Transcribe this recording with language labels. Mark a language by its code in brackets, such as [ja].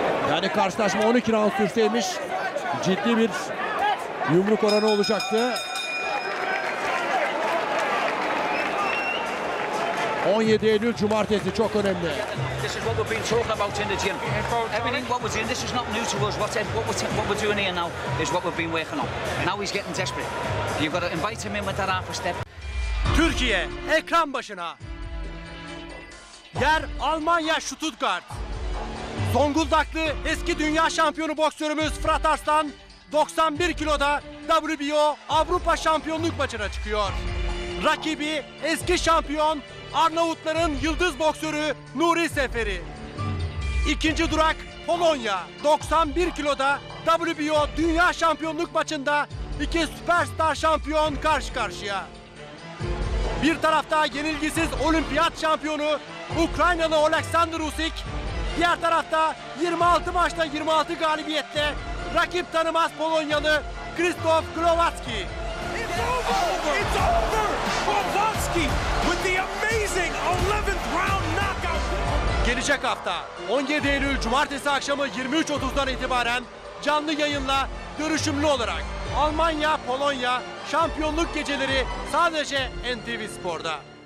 [tr] Yani karşılaşma 12 round sürseymiş ciddi bir yumruk oranı olacaktı. 17 Eylül Cumartesi çok önemli. [en] This is what we've been talking about in the gym. Everything what we're doing, this is not new to us. What we're doing here now is what we've been working on. Now he's getting desperate. You've got to invite him in with that half a step. [tr] Türkiye ekran başına. Yer Almanya Stuttgart. Zonguldaklı eski dünya şampiyonu boksörümüz Fırat Arslan 91 kiloda WBO Avrupa şampiyonluk maçına çıkıyor. Rakibi eski şampiyon Arnavutların yıldız boksörü Nuri Seferi. İkinci durak Polonya. 91 kiloda WBO dünya şampiyonluk maçında iki süperstar şampiyon karşı karşıya. Bir tarafta yenilgisiz olimpiyat şampiyonu Ukraynalı Oleksandr Usyk. Diğer tarafta 26 maçta 26 galibiyetle rakip tanımaz Polonyalı Krzysztof Głowacki. [en] It's over! Głowacki with the amazing 11th round knockout. [tr] Gelecek hafta 17 Eylül Cumartesi akşamı 23.30'dan itibaren canlı yayınla görüşümlü olarak Almanya-Polonya şampiyonluk geceleri sadece NTV Spor'da.